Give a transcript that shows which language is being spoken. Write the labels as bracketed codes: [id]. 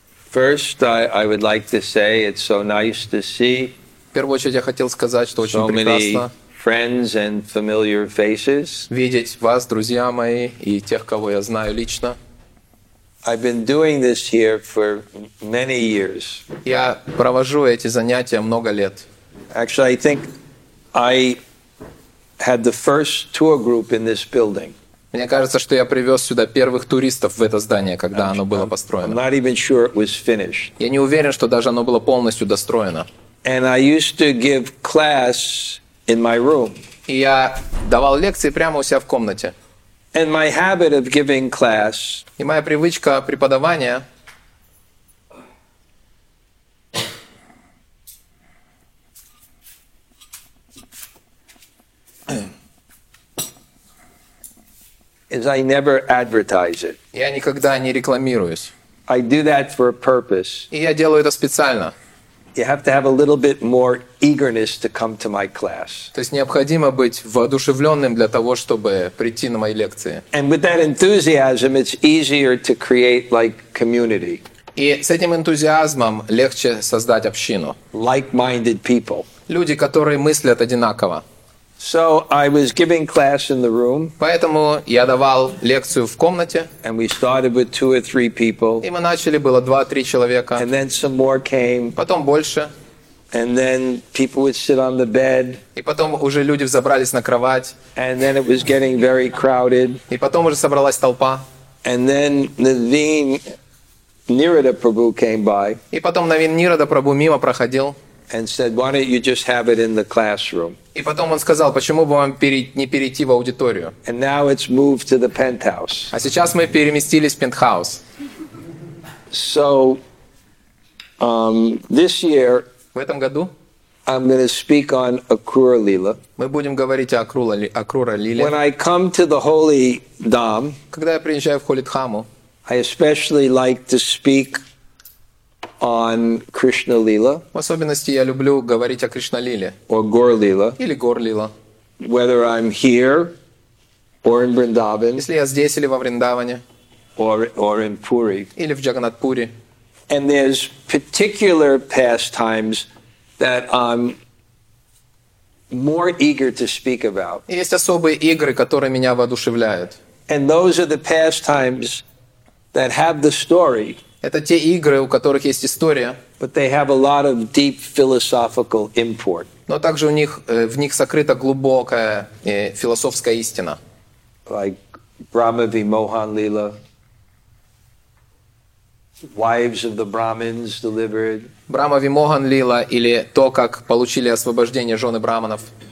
[en] First, I would like to say it's so nice to see. [ru] В первую очередь я хотел сказать, что очень прекрасно. [en] So many friends and familiar faces. [ru] Видеть вас, друзья мои, и тех, кого я знаю лично. [en] I've been doing this here for many years. [ru] Я провожу эти занятия много лет. [en] Actually, I think I had the first tour group in this building. [ru] Мне кажется, что я привез сюда первых туристов в это здание, когда оно было построено. [en] I'm not even sure it was finished. [ru] Я не уверен, что даже оно было полностью достроено. [en] And I used to give class in my room. [ru] И я давал лекции прямо у себя в комнате. [en] And my habit of giving class. [ru] И моя привычка преподавания. [en] Is I never advertise it. [ru] Я никогда не рекламируюсь. [en] I do that for a purpose. [ru] И я делаю это специально. [en] You have to have a little bit more eagerness to come to my class. [ru] То есть необходимо быть воодушевленным для того, чтобы прийти на мои лекции. [en] And with that enthusiasm, it's easier to create like community. [ru] И с этим энтузиазмом легче создать общину. [en] Like-minded people. [ru] Люди, которые мыслят одинаково. [en] So I was giving class in the room. [ru] Поэтому я давал лекцию в комнате. [en] And we started with two or three people. [ru] И мы начали, было 2-3 человека. [en] And then some more came. [ru] Потом больше. [en] And then people would sit on the bed. [ru] И потом уже люди взобрались на кровать. [en] And then it was getting very crowded. [ru] И потом уже собралась толпа. [en] And then Naveen Nirada Prabhu came by. [ru] И потом Naveen Nirada Prabhu мимо проходил. [en] And said, "Why don't you just have it in the classroom?" [ru] И потом он сказал, почему бы вам не перейти в аудиторию? [en] And now it's moved to the penthouse. [ru] А сейчас мы переместились в пентхаус. [en] So, this year, [ru] в этом году, [en] I'm going to speak on Akrura Lila. [ru] Мы будем говорить о Акрура Лиле. [en] When I come to the Holy Dham, [ru] когда я приезжаю в Холидхаму, [en] I especially like to speak on Krishna Lila. [ru] В особенности я люблю говорить о Кришна Лиле. [en] Or Gaur Lila. [ru] Или Gaur Lila. [en] Whether I'm here or in Vrindavan. [ru] Если я здесь или во Вриндаване. [en] Or in Puri. [ru] Или в Джаганнатпуре. [en] And there's particular pastimes that I'm more eager to speak about. [ru] Есть особые игры, которые меня воодушевляют. [en] And those are the pastimes that have the story. [ru] Это те игры, у которых есть история, [en] but they have a lot of deep philosophical import. [ru] Но также в них сокрыта глубокая философская истина. [en] Like Brahma Vimohan Lila, Wives of the Brahmins Delivered. [ru] Brahma Vimohan Lila или то, как получили освобождение жены брахманов.